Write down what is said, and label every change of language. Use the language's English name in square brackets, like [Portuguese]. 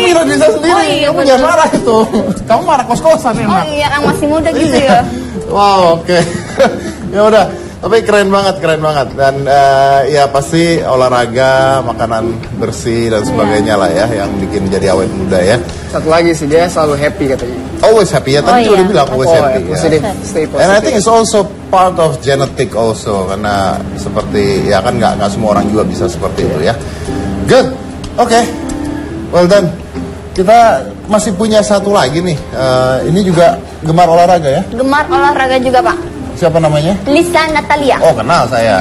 [Indonesian] menghina diri saya sendiri, kamu jangan marah itu. Kamu marah kos-kosan emang. Oh iya, kan masih muda gitu ya. Wow, oke. Okay. Ya udah. Tapi keren banget. Dan ya pasti olahraga, makanan bersih dan sebagainya lah ya yang bikin jadi awet muda ya. Satu lagi sih, dia selalu happy katanya. [English] Always happy [Indonesian] ya, tadi udah bilang [English] always happy. Positive, [Indonesian] ya. [English] Stay positive. And I think it's also part of genetic also. [Indonesian] Karena seperti, ya kan gak semua orang juga bisa seperti itu ya. [English] Good, okay. Well done. [Indonesian] Kita masih punya satu lagi nih. Ini juga gemar olahraga ya. Gemar olahraga juga, Pak. Siapa namanya? Lisa Natalia. Oh, kenal saya.